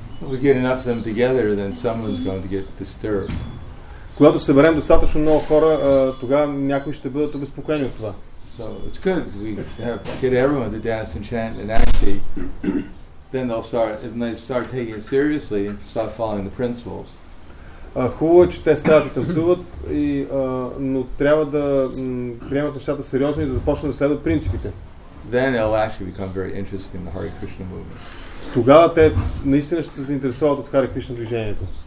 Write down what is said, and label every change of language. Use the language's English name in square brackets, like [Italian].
[English] We get enough of them together, then someone's going to get disturbed. [Bulgarian] Когато съберем достатъчно много хора, тогава някои ще бъдат обезпокоени от това. [English] So So it's good. We have get everyone to dance and chant, and actually, then they'll start. If they start taking it seriously, and start following the principles. [Bulgarian] Хубаво е, че те стават и танцуват, но трябва да приемат нещата сериозно и да започнат да следват принципите. [English] Then it'll actually become very interesting, the Hare Krishna movement. [Bulgarian] Тогава те наистина ще се заинтересуват от Хари Кришна движението.